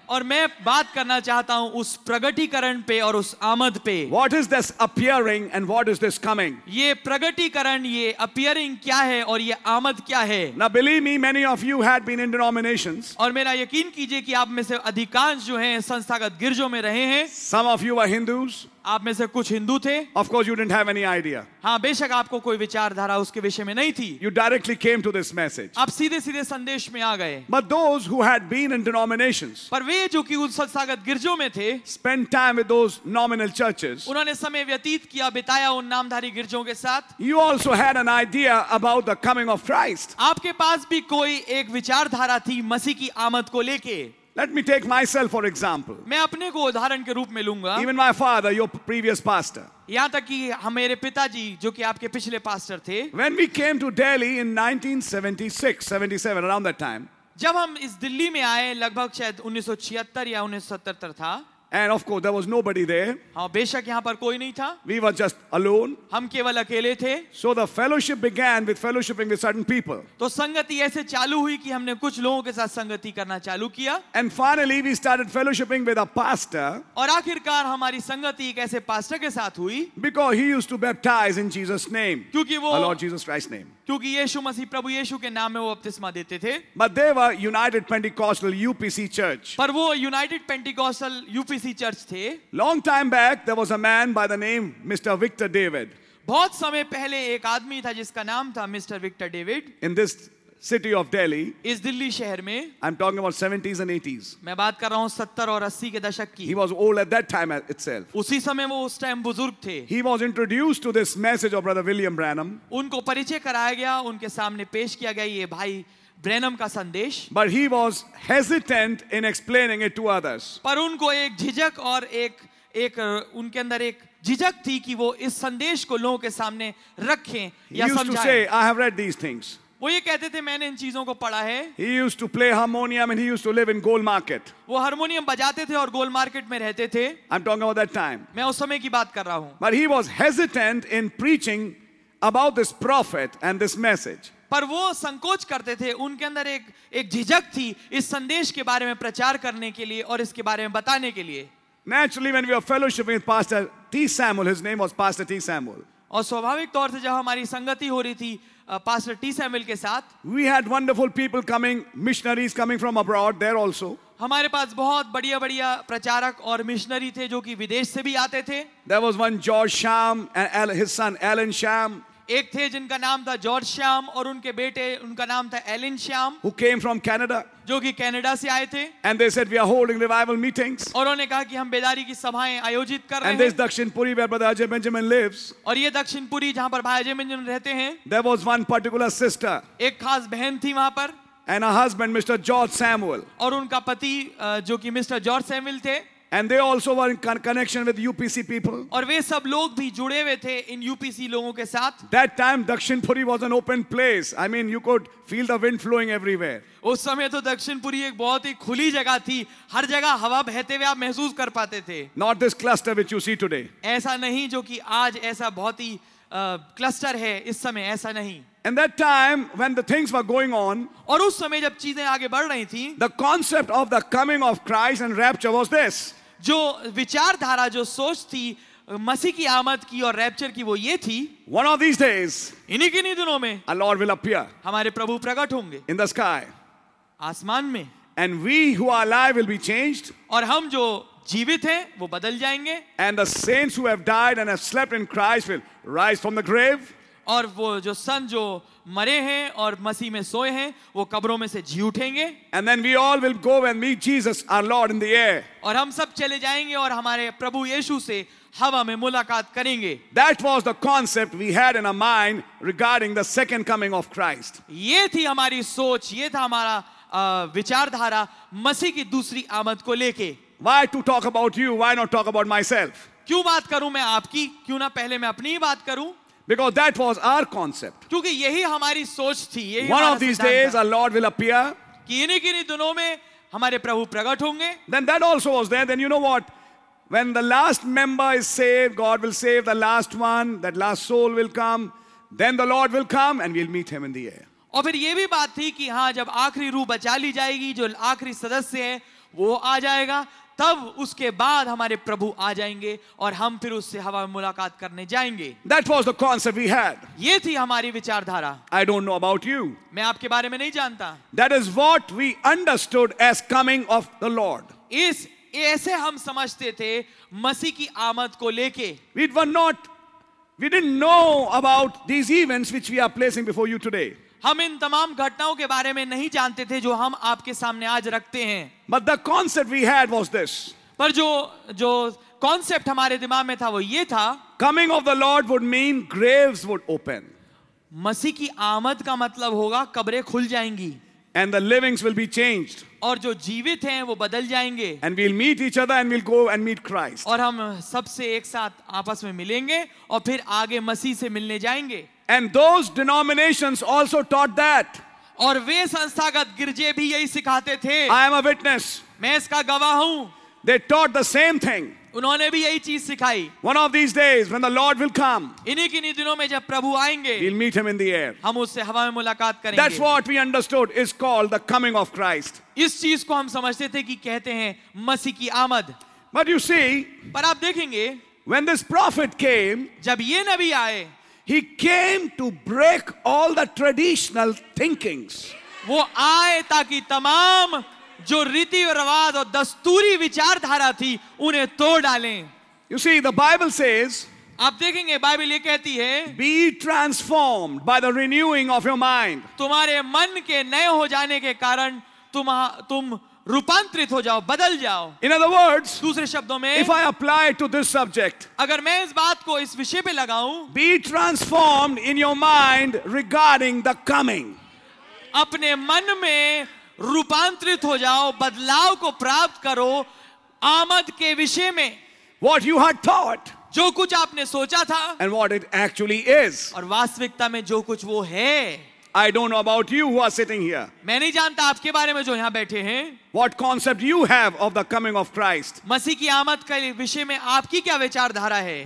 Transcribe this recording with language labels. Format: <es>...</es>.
<hi>और मैं बात करना चाहता हूँ उस प्रगटीकरण पे और उस आमद पे।</hi> <en>What is this appearing and what is this coming?</en> <hi>ये प्रगटीकरण, ये appearing क्या है और ये आमद क्या है?</hi> <en>Now believe me, many of you had been in denominations.</en> <hi>और मेरा यकीन कीजिए कि आप में से अधिकांश जो हैं संस्थागत गिरजों में रहे हैं।</hi> <en>Some of you were Hindus.</en> <hi>आप में से कुछ हिंदू थे।</hi> <en>Of course you didn't have any idea.</en> <hi>हाँ, बेशक आपको कोई विचारधारा उसके विषय में नहीं थी।</hi> <en>You directly came to this message.</en> <hi>आप सीधे सीधे संदेश में आ गए।</hi> <en>But those who had been in denominations,</en> <hi>पर वे जो कि उन संस्थागत गिरजों में थे,</hi> <en>spent time with those nominal churches,</en> <hi>उन्होंने समय व्यतीत किया, बिताया उन नामधारी गिरजों के साथ।</hi> <en>You also had an idea about the coming of Christ.</en> <hi>आपके पास भी कोई एक विचारधारा थी मसीह की आमद को लेके।</hi> <en>Let me take myself for example.</en> <hi>मैं अपने को उदाहरण के रूप में लूंगा।</hi> <en>Even my father, your previous pastor.</en> <hi>यहाँ तक कि हमारे पिताजी जो कि आपके पिछले पास्टर थे।</hi> <en>When we came to Delhi in 1976, 77, around that time.</en> <hi>जब हम इस दिल्ली में आए लगभग शायद 1976 या 1977 था।</hi> <en>And of course, there was nobody there.</en> <hi>हाँ, बेशक यहाँ पर कोई नहीं था.</hi> <en>We were just alone.</en> <hi>हम केवल अकेले थे.</hi> <en>So the fellowship began with fellowshipping with certain people.</en> <hi>तो संगति ऐसे चालू हुई कि हमने कुछ लोगों के साथ संगति करना चालू किया.</hi> <en>And finally, we started fellowshipping with a pastor.</en> <hi>और आखिरकार हमारी संगति एक ऐसे पास्टर के साथ हुई.</hi> <en>Because he used to baptize in Jesus' name.</en> <hi>क्योंकि वो</hi> <en>our Lord Jesus Christ's name.</en> <hi>क्योंकि यीशु मसीह प्रभु यीशु के नाम में वो बपतिस्मा देते थे.</hi> <en>But they were United Pentecostal UPC Church.</en> <hi>पर वो United Pentecostal UPC Church थे.</hi> <en>Long time back there was a man by the name Mr. Victor David.</en> <hi>बहुत समय पहले एक आदमी था जिसका नाम था mister Victor David.</hi> <en>In this city of Delhi.</en> <hi>इस दिल्ली शहर में.</hi> <en>I'm talking about 70s and 80s.</en> <hi>मैं बात कर रहा हूँ 70 और 80 के दशक की.</hi> <en>He was old at that time itself.</en> <hi>उसी समय वो उस टाइम बुजुर्ग थे.</hi> <en>He was introduced to this message of Brother William Branham.</en> <hi>उनको परिचय कराया गया, उनके सामने पेश किया गया ये भाई ब्रैनम का संदेश.</hi> <en>But he was hesitant in explaining it to others.</en> <hi>पर उनको एक झिझक और एक उनके अंदर एक झिझक थी कि वो इस संदेश को लोगों के सामने रखें या समझाएं.</hi> <en>He used to say, "I have read these things."</en> <hi>वो ये कहते थे मैंने इन चीजों को पढ़ा है.</hi> <en>He used to play harmonium and he used to live in Gold Market.</en> <hi>वो हारमोनियम बजाते थे और गोल मार्केट में रहते थे.</hi> <en>I'm talking about that time.</en> <hi>मैं उस समय की बात कर रहा हूँ.</hi> <en>But he was hesitant in preaching about this prophet and this message.</en> <hi>पर वो संकोच करते थे, उनके अंदर एक झिझक थी इस संदेश के बारे में प्रचार करने के लिए और इसके बारे में बताने के लिए.</hi> <en>Naturally, when we were fellowshipping with Pastor T. Samuel, his name was Pastor T. Samuel.</en> <hi>और स्वाभाविक तौर से जब हमारी संगति हो रही थी पास्टर टी सैमुएल के साथ,</hi> <en>we had wonderful people coming, missionaries coming from abroad there also.</en> <hi>हमारे पास बहुत बढ़िया बढ़िया प्रचारक और मिशनरी थे जो कि विदेश से भी आते थे.</hi> <en>There was one George Sham and his son Alan Sham.</en> <hi>एक थे जिनका नाम था जॉर्ज श्याम और उनके बेटे उनका नाम था Elon Shyam.</hi> <en>Who came from Canada.</en> <hi>जो कि कनाडा से आए थे.</hi> <en>And they said, "We are holding revival meetings."</en> <hi>और उन्होंने कहा कि हम बेदारी की सभाएं आयोजित कर रहे हैं.</hi> <en>And this Dakshinpuri where Brother Ajay Benjamin lives.</en> <hi>और ये दक्षिणपुरी जहां पर भाई अजय बेंजामिन रहते हैं.</hi> <en>There was one particular sister.</en> <hi>एक खास बहन थी वहां पर.</hi> <en>And her husband, Mr. George Samuel.</en> <hi>और उनका पति जो कि मिस्टर जॉर्ज सैमुएल थे.</hi> <en>And they also were in connection with UPC people.</en> <hi>और वे सब लोग भी जुड़े हुए थे इन UPC लोगों के साथ.</hi> <en>That time Dakshinpuri was an open place. I mean, you could feel the wind flowing everywhere.</en> <hi>उस समय तो दक्षिणपुरी एक बहुत ही खुली जगह थी. हर जगह हवा बहते हुए आप महसूस कर पाते थे.</hi> <en>Not this cluster which you see today.</en> <hi>ऐसा नहीं जो कि आज ऐसा बहुत ही क्लस्टर है इस समय, ऐसा नहीं.</hi> <en>And that time when the things were going on,</en> <hi>और उस समय जब चीजें आगे बढ़ रही थी,</hi> <en>the concept of the coming of Christ and rapture was this.</en> <hi>जो विचारधारा जो सोच थी मसीह की आमद की और रैप्चर की वो ये थी,</hi> <en>One of these days,</en> <hi>इन्हीं के इन्हीं दिनों में,</hi> <en>a Lord will appear,</en> <hi>हमारे प्रभु प्रकट होंगे,</hi> <en>in the sky,</en> <hi>आसमान में,</hi> <en>and we who are alive will be changed,</en> <hi>और हम जो जीवित हैं वो बदल जाएंगे,</hi> <en>and the saints who have died and have slept in Christ will rise from the grave,</en> <hi>और वो जो संत जो मरे हैं और मसीह में सोए हैं वो कब्रों में से जी उठेंगे.</hi> <en>And then we all will go and meet Jesus, our Lord, in the air.</en> <hi>और हम सब चले जाएंगे और हमारे प्रभु यीशु से हवा में मुलाकात करेंगे.</hi> <en>That was the concept we had in our mind regarding the second coming of Christ.</en> <hi>ये थी हमारी सोच, ये था हमारा विचारधारा मसीह की दूसरी आमद को लेके.</hi> <en>Why to talk about you? Why not talk about myself?</en> <hi>क्यों बात करूं मैं आपकी, क्यों ना पहले मैं अपनी ही बात करूं.</hi> <en>Because that was our concept.</en> <hi>क्योंकि यही हमारी सोच थी.</hi> <en>One of these days, our Lord will appear.</en> <hi>कि इन्हीं किन्हीं दिनों में हमारे प्रभु प्रकट होंगे.</hi> <en>Then that also was there. Then you know what? When the last member is saved, God will save the last one. That last soul will come. Then the Lord will come, and we'll meet Him in the air.</en> <hi>और फिर ये भी बात थी कि हाँ, जब आखिरी रूह बचा ली जाएगी, जो आखिरी सदस्य है, वो आ जाएगा. तब उसके बाद हमारे प्रभु आ जाएंगे और हम फिर उससे हवा में मुलाकात करने जाएंगे.</hi> <en>That was the concept we had.</en> <hi>ये थी हमारी विचारधारा.</hi> <en>I don't know about you.</en> <hi>मैं आपके बारे में नहीं जानता.</hi> <en>That is what we understood as coming of the Lord.</en> <hi>इस ऐसे हम समझते थे मसीह की आमद को लेके.</hi> <en>We didn't know about these events which we are placing before you today.</en> <hi>हम इन तमाम घटनाओं के बारे में नहीं जानते थे जो हम आपके सामने आज रखते हैं.</hi> <en>But the concept we had was this.</en> <hi>पर जो concept हमारे दिमाग में था वो ये था.</hi> <en>Coming of the Lord would mean graves would open.</en> <hi>मसीह की आमद का मतलब होगा कब्रें खुल जाएंगी.</hi> <en>And the livings will be changed.</en> <hi>और जो जीवित हैं वो बदल जाएंगे.</hi> <en>And we'll meet each other and we'll go and meet Christ.</en> <hi>और हम सबसे एक साथ आपस में मिलेंगे और फिर आगे मसीह से मिलने जाएंगे.</hi> <en>And those denominations also taught that.</en> <hi>और वे संस्थागत गिरजे भी यही सिखाते थे.</hi> <en>I am a witness.</en> <hi>मैं इसका गवाह हूँ.</hi> <en>They taught the same thing.</en> <hi>उन्होंने भी यही चीज सिखाई.</hi> <en>One of these days, when the Lord will come,</en> <hi>इन्हीं किन्हीं दिनों में जब प्रभु आएंगे,</hi> <en>we'll meet him in the air.</en> <hi>हम उससे हवा में मुलाकात करेंगे.</hi> <en>That's what we understood is called the coming of Christ.</en> <hi>इस चीज को हम समझते थे कि कहते हैं मसीह की आमद.</hi> <en>But you see,</en> <hi>पर आप देखेंगे,</hi> <en>when this prophet came,</en> <hi>जब ये नबी आए,</hi> <en>he came to break all the traditional thinkings.</en> <hi>वो आए ताकि तमाम जो रीति और रवाज और दस्तूरी विचारधारा थी उन्हें तोड़ डालें.</hi> <en>You see, the Bible says,</en> <hi>आप देखेंगे बाइबल ये कहती है,</hi> <en>be transformed by the renewing of your mind.</en> <hi>तुम्हारे मन के नए हो जाने के कारण तुम रूपांतरित हो जाओ, बदल जाओ.</hi> <en>In other words,</en> <hi>दूसरे शब्दों में,</hi> <en>if I apply to this subject,</en> <hi>अगर मैं इस बात को इस विषय पे लगाऊं,</hi> <en>be transformed in your mind regarding the coming.</en> <hi>अपने मन में रूपांतरित हो जाओ, बदलाव को प्राप्त करो आमद के विषय में.</hi> <en>What you had thought,</en> <hi>जो कुछ आपने सोचा था,</hi> <en>and what it actually is,</en> <hi>और वास्तविकता में जो कुछ वो है.</hi> <en>I don't know about you who are sitting here.</en> <hi>मैं नहीं जानता आपके बारे में जो यहाँ बैठे हैं.</hi> <en>What concept you have of the coming of Christ?</en> <hi>मसीह की आमद के विषय में आपकी क्या विचारधारा है?</hi>